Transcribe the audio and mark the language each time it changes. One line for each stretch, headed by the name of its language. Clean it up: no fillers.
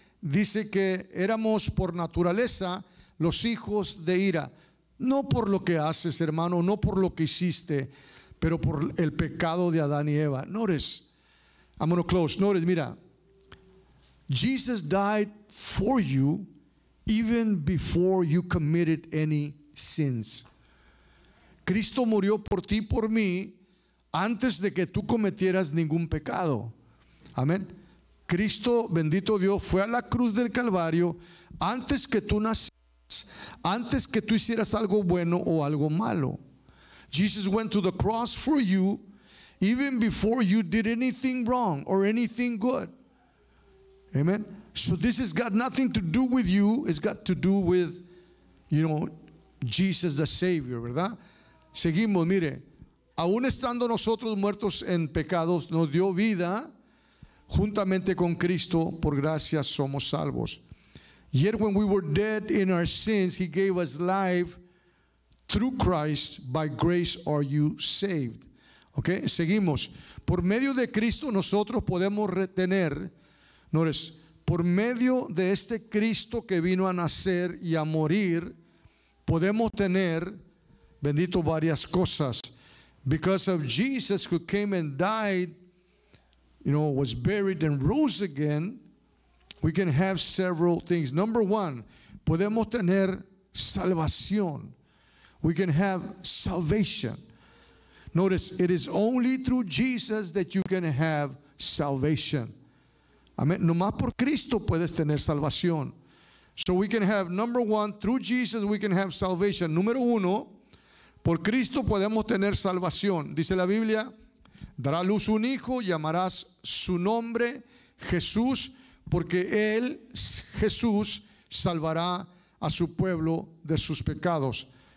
Spanish: Dice que éramos por naturaleza los hijos de ira. No por lo que haces, hermano, no por lo que hiciste, pero por el pecado de Adán y Eva.
English: Notice, I'm going to close. Notice,
Spanish: mira.
English: Jesus died for you even before you committed any sins.
Spanish: Cristo murió por ti, por mí, antes de que tú cometieras ningún pecado. Amén. Cristo, bendito Dios, fue a la cruz del Calvario antes que tú nacieras, antes que tú hicieras algo bueno o algo malo.
English: Jesus went to the cross for you even before you did anything wrong or anything good. Amen. So this has got nothing to do with you. It's got to do with, you know, Jesus the Savior,
Spanish: ¿verdad? Seguimos, mire. Aún estando nosotros muertos en pecados, nos dio vida. Juntamente con Cristo, por gracia somos salvos.
English: Yet when we were dead in our sins, he gave us life through Christ. By grace are you saved. Ok,
Spanish: seguimos. Por medio de Cristo nosotros podemos retener.
English: Notice,
Spanish: por medio de este Cristo que vino a nacer y a morir, podemos tener, bendito, varias cosas.
English: Because of Jesus who came and died, you know, was buried and rose again, we can have several things. Number one,
Spanish: podemos tener salvación.
English: We can have salvation. Notice, it is only through Jesus that you can have salvation. Amen.
Spanish: Nomás por Cristo puedes tener salvación.
English: So we can have, number one, through Jesus we can have salvation.
Spanish: Número uno, por Cristo podemos tener salvación. Dice la Biblia, dará luz un hijo, llamarás su nombre Jesús, porque él, Jesús, salvará a su pueblo de sus pecados.